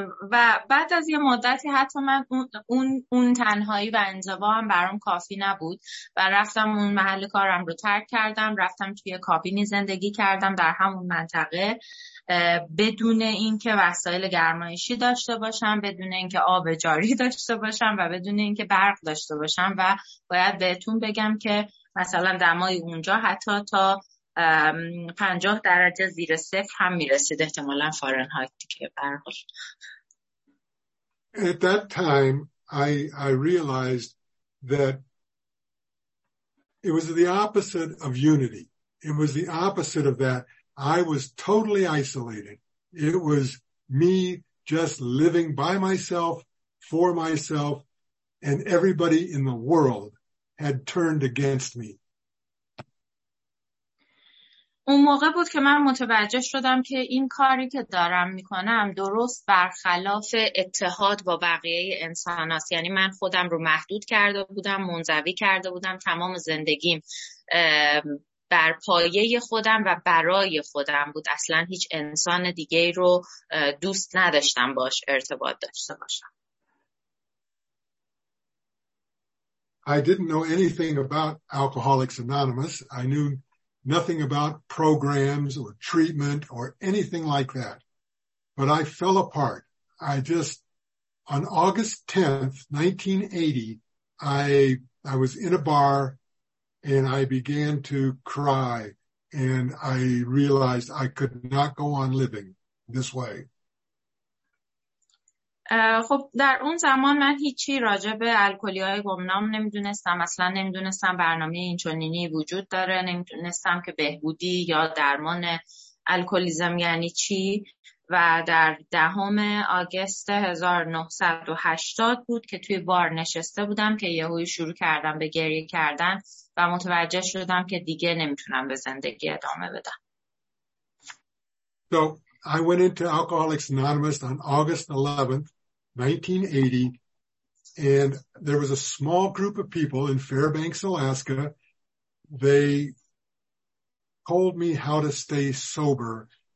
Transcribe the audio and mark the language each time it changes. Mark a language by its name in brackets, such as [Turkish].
[Persian] و بعد از یه مدتی حتی من اون تنهایی و انزوا هم برام کافی نبود و رفتم اون محل کارم رو ترک کردم، رفتم توی کابینی زندگی کردم در همون منطقه بدون اینکه وسایل گرمایشی داشته باشم، بدون اینکه آب جاری داشته باشم و بدون اینکه برق داشته باشم. و باید بهتون بگم که مثلا دمای اونجا حتی تا 50 درجه زیر صفر هم میرسید، احتمالاً فارنهایت که برقل. [English] At that time I realized that it was the opposite of unity. It was the opposite of that. I was totally isolated. It was me just living by myself, for myself, and everybody in the world had turned against me. [Persian] اون موقع بود که من متوجه شدم که این کاری که دارم میکنم درست برخلاف اتحاد با بقیه انسان هست. یعنی من خودم رو محدود کرده بودم، منزوی کرده بودم، تمام زندگیم بر پایه خودم و برای خودم بود. اصلا هیچ انسان دیگه رو دوست نداشتم باش ارتباط داشته باشم. [English] I didn't know anything about Alcoholics Anonymous. I knew nothing about programs or treatment or anything like that. But I fell apart. On August 10th, 1980, I was in a bar and I began to cry and I realized I could not go on living this way. [Persian] خب در اون زمان من هیچی راجع به الکلی‌های گمنام نمیدونستم، اصلا نمیدونستم برنامه اینچنینی وجود داره، نمیدونستم که بهبودی یا درمان الکلیزم یعنی چی. و در دهم آگست 1980 بود که توی بار نشسته بودم که یهویی شروع کردم به گریه کردن و متوجه شدم که دیگه نمیتونم به زندگی ادامه بدم. [English] So I went into Alcoholics Anonymous on August 11th, 1980, And there was a small group of people in Fairbanks, Alaska. They told me how to stay sober.